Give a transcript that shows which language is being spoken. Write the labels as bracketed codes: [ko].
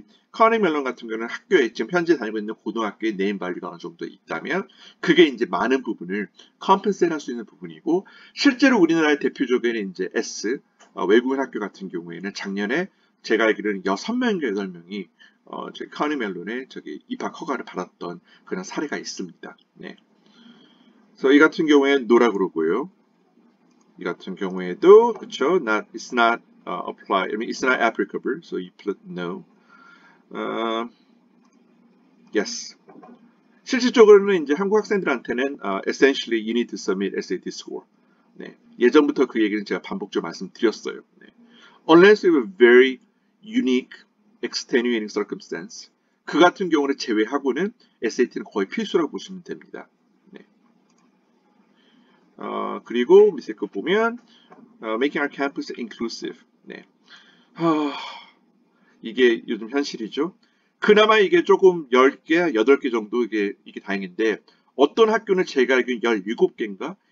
[ko] 카네기 멜론 같은 경우는 학교에 지금 현재 다니고 있는 고등학교의 네임 밸류가 어느 정도 있다면 그게 이제 많은 부분을 컴펜세이트 할 수 있는 부분이고 실제로 우리나라의 대표적인 이제 S, 외국인 학교 같은 경우에는 작년에 제가 알기로는 6명, 8명이 카네기 멜론에 저기 입학 허가를 받았던 그런 사례가 있습니다. 네. 그래서 이 같은 경우에 노라 그러고요. 이 같은 경우에도 그렇죠. [en] Not, it's not apply. I mean, it's not applicable. So you put no. Yes. [ko] 실질적으로는 이제 한국 학생들한테는 [en] essentially you need to submit SAT score. 네. [ko] 예전부터 그 얘기는 제가 반복적으로 말씀드렸어요. 네. [en] Unless you have a very unique extenuating circumstance. [ko] 그 같은 경우를 제외하고는 SAT는 거의 필수라고 보시면 됩니다. 네. 그리고 밑에 거 보면 [en] making our campus inclusive. [ko] 네. 이게 요즘 현실이죠. 그나마 이게 조금 10개, 8개 정도 이게 다행인데 어떤 학교는 제가 알기엔 17개인가?